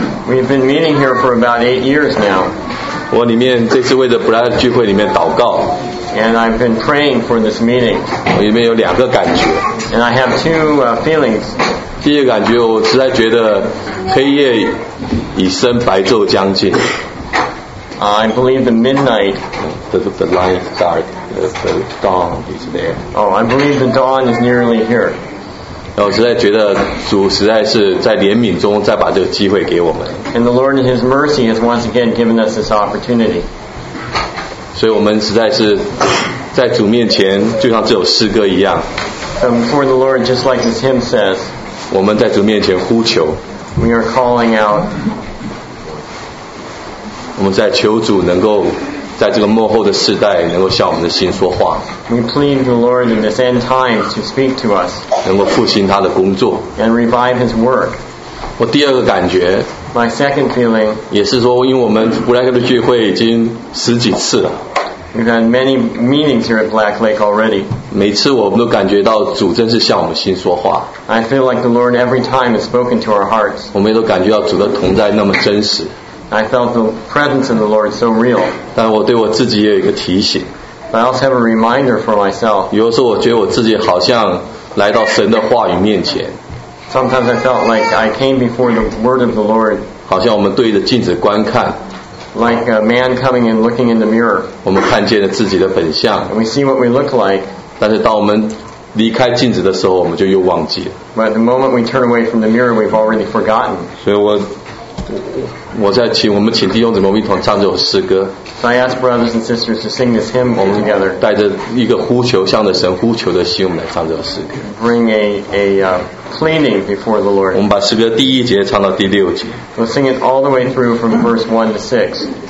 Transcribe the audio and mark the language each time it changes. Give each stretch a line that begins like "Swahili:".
English: We've been meeting here for about 8 years now.
Chinese: 我里面这次为着 Blackhead 聚会里面祷告。
English: And I've been praying for this meeting.
Chinese: 我里面有两个感觉。
English: And I have two feelings.
Chinese: 第一个感觉，我实在觉得黑夜已深，白昼将近。
English: I believe the midnight. The light is dark. The dawn is there. Oh, I believe the dawn is nearly here.
Chinese: 我实在觉得主实在是在怜悯中再把这个机会给我们。
English: And the Lord in His mercy has once again given us this opportunity.
Chinese: 所以我们实在是在主面前就像这首诗歌一样。
English: And before the Lord, just like this hymn says,
Chinese: 我们在主面前呼求。
English: We are calling out.
Chinese: 我们在求主能够在这个末后的世代能够向我们的心说话。
English: We plead the Lord in this end time to speak to us.
Chinese: 能够复兴他的工作。
English: And revive his work.
Chinese: 我第二个感觉。
English: My second feeling.
Chinese: 也是说因为我们 Blackhead 的聚会已经十几次了。
English: We've had many meetings here at Black Lake already.
Chinese: 每次我们都感觉到主真是向我们心说话。
English: I feel like the Lord every time has spoken to our hearts.
Chinese: 我们也都感觉到主的同在那么真实。
English: I felt the presence of the Lord so real.
Chinese: 但我对我自己也有一个提醒。
English: I also have a reminder for myself.
Chinese: 有时候我觉得我自己好像来到神的话语面前。
English: Sometimes I felt like I came before the word of the Lord.
Chinese: 好像我们对着镜子观看。
English: Like a man coming and looking in the mirror.
Chinese: 我们看见了自己的本相。
English: And we see what we look like.
Chinese: 但是当我们离开镜子的时候，我们就又忘记了。
English: But the moment we turn away from the mirror, we've already forgotten.
Chinese: 所以我在请我们请弟兄姊妹一同唱这首诗歌。
English: I ask brothers and sisters to sing this hymn all together.
Chinese: 带着一个呼求向着神呼求的心，我们来唱这首诗歌。
English: Bring a pleading before the Lord.
Chinese: 我们把诗歌第一节唱到第六节。
English: We'll sing it all the way through from verse 1 to 6.